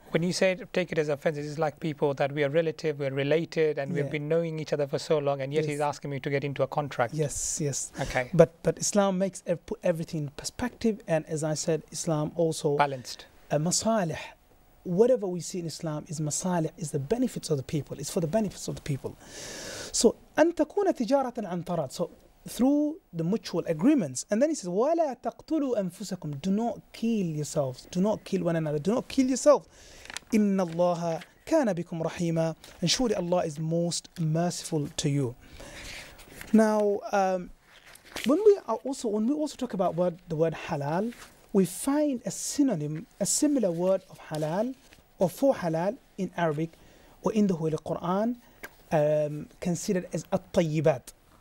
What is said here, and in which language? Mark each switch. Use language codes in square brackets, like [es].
[en] When you say take it as offense, it's like people that we are relative, we're related, and we've been knowing each other for so long, and yet he's asking me to get into a contract. Yes. Okay. But Islam makes put everything in perspective, and as I said, Islam also... Balanced. Masalih. Whatever we see in Islam is masalih, is the benefits of the people. It's for the benefits of the people. [ar] So, أن تكون تجارة عن طرد. [en] So, through the mutual agreements. And then he says, [ar] وَلَا تَقْتُلُوا أَنفُسَكُمْ. [en] Do not kill yourselves. Do not kill one another. Do not kill yourself. [ar] إِنَّ اللَّهَ كَانَ بِكُمْ رَحِيمًا. [en] And surely Allah is most merciful to you. Now, when we also talk about the word halal, we find a similar word of halal or for halal in Arabic or in the Holy Quran considered as الطيبات.